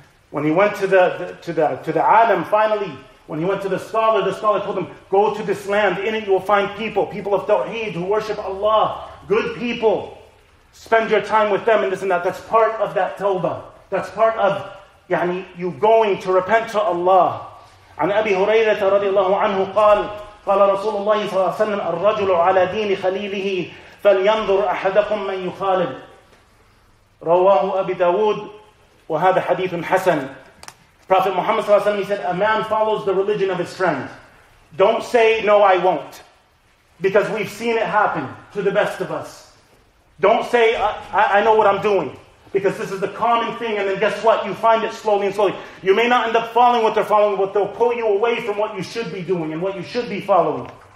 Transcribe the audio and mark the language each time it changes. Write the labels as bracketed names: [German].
[English] When he went to the alam, finally, when he went to the scholar told him, go to this land, in it you will find people, people of tawheed who worship Allah, good people. Spend your time with them and this and that. That's part of that tawbah. That's part of يعني, you going to repent to Allah. [Arabic] عن أبي هريرة رضي الله عنه قال قال رسول الله صلى الله عليه وسلم الرجل على دين خليله فلينظر أحدكم من يخالب. رواه أبي داود وهذا حديث حسن. [English] Prophet Muhammad [Arabic] صلى الله عليه وسلم, [English] he said, a man follows the religion of his friend. Don't say, no, I won't. Because we've seen it happen to the best of us. Don't say, I know what I'm doing. Because this is the common thing, and then guess what? You find it slowly and slowly. You may not end up following what they're following, but they'll pull you away from what you should be doing and what you should be following.